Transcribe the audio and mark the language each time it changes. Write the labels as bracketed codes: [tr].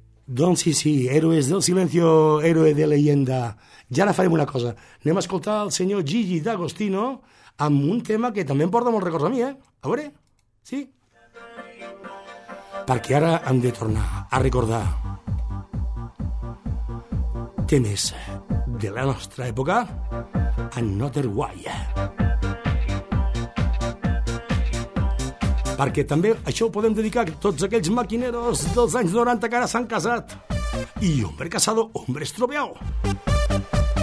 [ca] Doncs sí, sí, héroes del silencio, héroe de leyenda. I ara farem una cosa. Anem a escoltar el senyor Gigi D'Agostino amb un tema que també em porta molts records a mi, eh? A veure, sí? Perquè ara hem de tornar a recordar temes de la nostra època en Another Way. Perquè també això ho podem dedicar a tots aquells maquineros dels anys 90 que ara s'han casat. [es] I hombre casado, hombre estropeado.